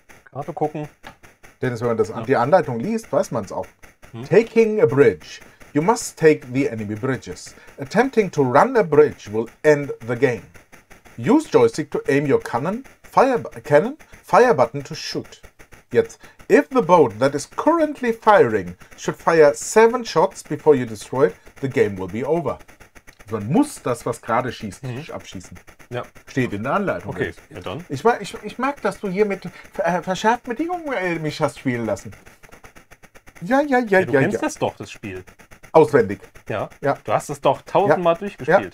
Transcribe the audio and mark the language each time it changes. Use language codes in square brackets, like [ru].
[de] Karte gucken. Dennis, wenn man das, ja, die Anleitung liest, weiß man es auch. [en] Taking a bridge. You must take the enemy bridges. Attempting to run a bridge will end the game. Use joystick to aim your cannon, fire button to shoot. [de] Jetzt, [en] if the boat that is currently firing should fire 7 shots before you destroy it, the game will be over. [de] Also man muss das, was gerade schießt, abschießen. Ja. Steht in der Anleitung. Okay, jetzt. Ja dann. Ich merke, dass du hier mit verschärften Bedingungen mich hast spielen lassen. Ja, du kennst das doch, das Spiel. Auswendig. Ja, ja. Du hast es doch 1000-mal durchgespielt.